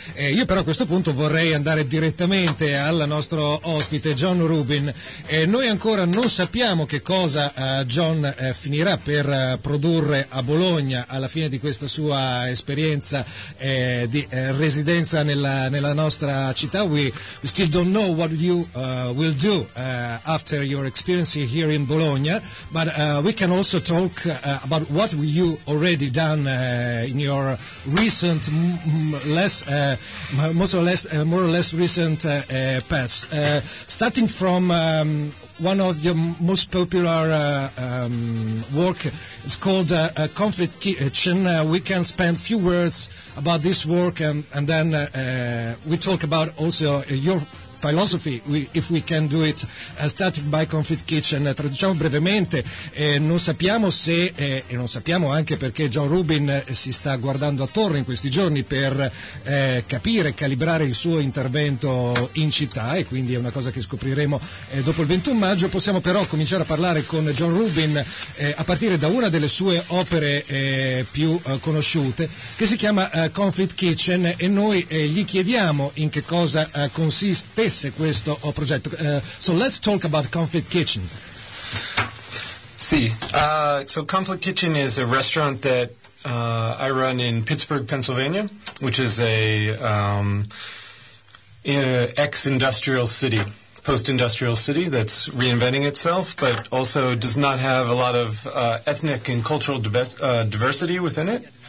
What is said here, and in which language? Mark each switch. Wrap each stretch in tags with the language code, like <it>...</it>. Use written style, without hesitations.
<it>Io però a questo punto vorrei andare direttamente al nostro ospite John Rubin. Noi ancora non sappiamo che cosa John finirà per produrre a Bologna alla fine di questa sua esperienza residenza nella nostra città.</it> <en>We still don't know what you will do after your experience here in Bologna, but we can also talk about what you already done in your recent more or less recent past, starting from one of your most popular work. It's called Conflict Kitchen. We can spend a few words about this work and then we talk about also your philosophy, if we can do it, starting by Conflict Kitchen.</en> <it>Traduciamo brevemente, non sappiamo se, e non sappiamo anche perché John Rubin si sta guardando attorno in questi giorni per capire, calibrare il suo intervento in città, e quindi è una cosa che scopriremo dopo il 21 maggio. Possiamo però cominciare a parlare con John Rubin a partire da una delle sue opere più conosciute, che si chiama Conflict Kitchen, e noi gli chiediamo in che cosa consiste questo progetto.</it> <en>So let's talk about Conflict Kitchen. See, so Conflict Kitchen is a restaurant that I run in Pittsburgh, Pennsylvania, which is an ex-industrial city, post-industrial city that's reinventing itself, but also does not have a lot of ethnic and cultural diversity within it.</en>